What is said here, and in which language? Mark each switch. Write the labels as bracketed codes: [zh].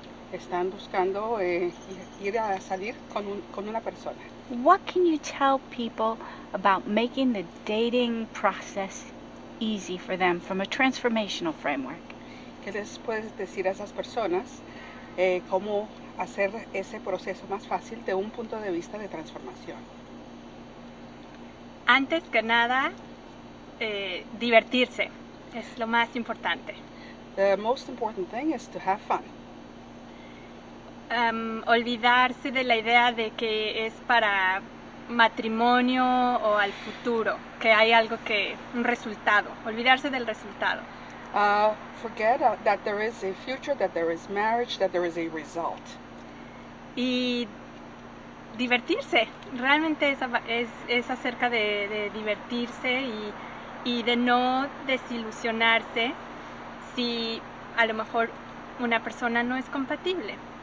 [es] Están buscando ir a salir con una persona. [en] What can you tell people about making the dating process easy for them from a transformational framework? [es] ¿Qué les puedes decir a esas personas cómo hacer ese proceso más fácil de un punto de vista de transformación? Antes que nada, divertirse es lo más importante. [en] The most important thing is to have fun. [es] Olvidarse de la idea de que es para matrimonio o al futuro, que hay algo que, un resultado, olvidarse del resultado. [en] Forget that there is a future, that there is marriage, that there is a result. [es] Y divertirse, realmente es acerca de divertirse y de no desilusionarse si a lo mejor una persona no es compatible.